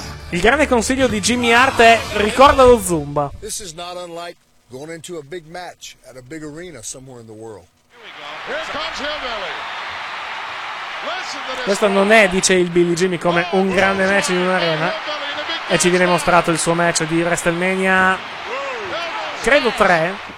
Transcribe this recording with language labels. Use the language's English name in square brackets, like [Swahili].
[Italian] Il grande consiglio di Jimmy Hart è: ricorda lo Zumba. [English] This is not unlike going into a big match at a big arena somewhere in the world. Here comes Hillbilly. [Italian] Questo non è, dice il Billy Jimmy, come un grande match in un'arena. E ci viene mostrato il suo match di WrestleMania, credo 3.